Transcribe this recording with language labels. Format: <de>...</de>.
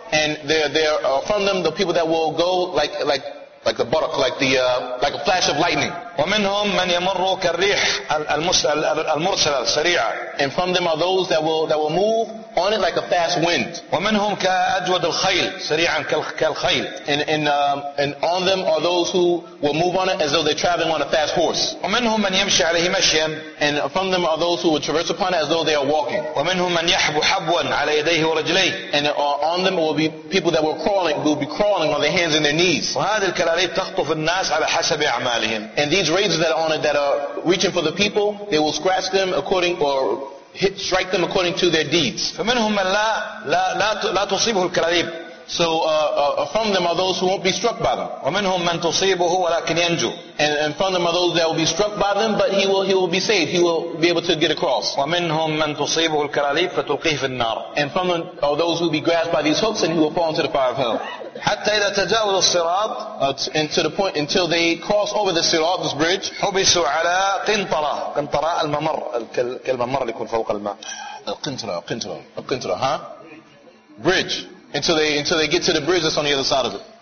<en>and there are from them the people that will go like like the barak, like the like a flash of lightning.</en> <ar>ومنهم من يمر كالريح المرسلة السريعة.</ar> <en>And from them are those that will move on it like a fast wind.</en> <ar>ومنهم كأجود الخيل سريعا كالخيل.</ar> <en>And on them are those who will move on it as though they're traveling on a fast horse.</en> <ar>ومنهم من يمشي عليه مشيا.</ar> <en>And from them are those who will traverse upon it as though they are walking.</en> <ar>ومنهم من يحب حبوا على يديه ورجليه.</ar> <en>And on them will be people that will be crawling on their hands and their knees.</en> <ar>وهذه الكلاليب تخطف الناس على حسب أعمالهم.</ar> <en>These razors that are on it that are reaching for the people, they will scratch them according or hit, strike them according to their deeds.</en> <ar>فمنهم من لا تصيبه الكلاليب.</ar> <en>So from them are those who won't be struck by them.</en> <ar>ومنهم من تصيبه ولكن ينجو.</ar> <en>And from them are those that will be struck by them, but he will be saved. He will be able to get across.</en> <ar>ومنهم من تصيبه الكلاليب فتلقيه في النار.</ar> <en>And from them are those who will be grasped by these hooks and he will fall into the fire of hell.</en> <ar>حتى إذا تجاوز الصراط</ar> <en>until they cross over the Sirat, this bridge,</en> <ar>حبسوا على قنطرة قنطرة الممر كالممر اللي يكون فوق الماء</ar> <en>القنطرة huh? Bridge until they get to the bridge that's on the other side of it.</en>